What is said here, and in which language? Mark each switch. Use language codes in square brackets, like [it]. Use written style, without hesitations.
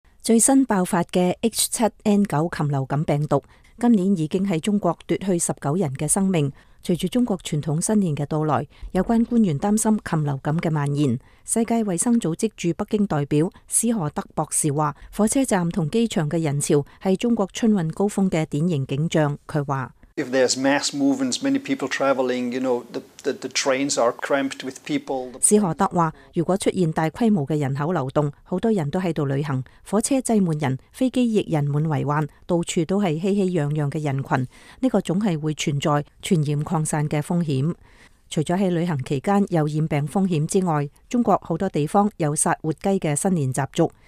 [zh] 最新爆发的 H7N9 禽流感病毒，今年已经在中国夺去19人的生命。随着中国传统新年的到来，有关官员担心禽流感的蔓延。世界卫生组织驻北京代表斯荷德博士说，火车站和机场的人潮是中国春运高峰的典型景象。他说， [en] If there's mass movements, many people traveling, you know, the trains are cramped with people. [zh] 斯荷德说，如果出现大规模的人口流动，很多人都在旅行，火车挤满人，飞机亦人满为患，到处都是熙熙攘攘的人群，这个总是会存在传染扩散的风险。除了在旅行期间有染病风险之外，中国很多地方有杀活鸡的新年习俗。